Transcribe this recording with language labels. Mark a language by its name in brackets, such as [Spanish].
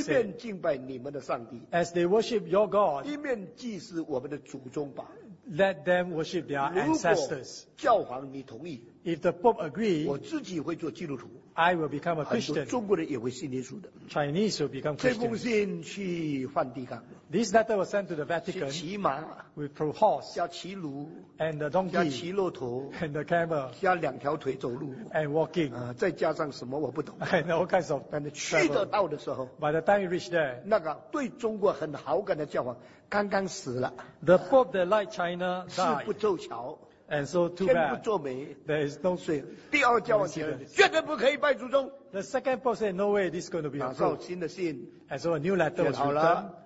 [Chinese] 一边敬拜你们的上帝 [English] as they worship your God, [Chinese] 一面祭祀我们的祖宗吧 [English] let them worship their ancestors. [Chinese] 如果教皇你同意 [English] if the Pope agrees, [Chinese] 我自己会做基督徒 [English] I will become a Christian. [Chinese] 很多中国人也会信耶稣的 [English] Chinese will become Christian. [Chinese] 这封信去梵蒂冈 [English] This letter was sent to the Vatican. [Chinese] 骑马 [English] with a horse, [Chinese] 加骑驴 [English] and the donkey, [Chinese] 加骑骆驼 [English] and the camel, [Chinese] 加两条腿走路 [English] and walking, [Chinese] 再加上什么我不懂 [English] and all kinds of travel. [Chinese] 去得到的时候 [English] By the time you reach there, [Chinese] 那个对中国很好感的教皇刚刚死了 [English] The Pope that liked China died [Chinese] 事不凑巧 [English] And so too bad [Chinese] 天不作美 [English] There is no [Chinese] 所以第二教皇觉得绝对不可以拜祖宗 [English] The second Pope said no way this is going to be a good [Chinese] 新的信 [English] And so a new letter was written